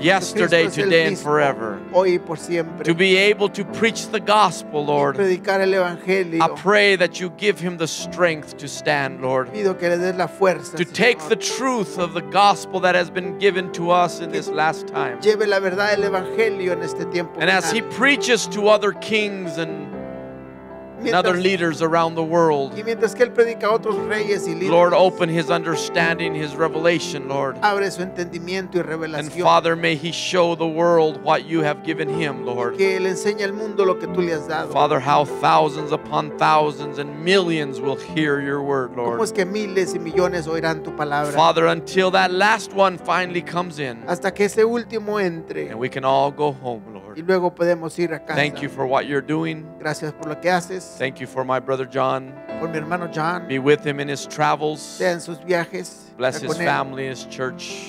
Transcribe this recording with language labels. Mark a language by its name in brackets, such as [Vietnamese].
[English] yesterday, [Spanish] Cristo [English] today, [Spanish] es el [English] and forever. [Spanish] Hoy por siempre. [English] To be able to preach the gospel, Lord, [Spanish] y predicar el evangelio. [English] I pray that you give him the strength to stand, Lord, [Spanish] pido que le des la fuerza, [English] to [Spanish] Señor. [English] Take the truth of the gospel that has been given to us in this last time. [Spanish] Lleve la verdad del evangelio en este tiempo. [English] And as he preaches to other kings and [Spanish] mientras, [English] other leaders around the world. [Spanish] Y mientras que él predica a otros reyes y líderes, [English] Lord, open his understanding, his revelation, Lord. [Spanish] Abre su entendimiento y revelación. [English] And Father, may he show the world what you have given him, Lord. [Spanish] Que él enseñe al mundo lo que tú le has dado. [English] Father, how thousands upon thousands and millions will hear your word, Lord. [Spanish] ¿Cómo es que miles y millones oirán tu palabra? [English] Father, until that last one finally comes in. [Spanish] Hasta que ese último entre. [English] And we can all go home, Lord. [Spanish] Y luego podemos ir a casa. [English] Thank you for what you're doing. [Spanish] Gracias por lo que haces. [English] Thank you for my brother John. [Spanish] Por mi hermano John. [English] Be with him in his travels. [Spanish] Sea en sus viajes. [English] Bless his family, his church.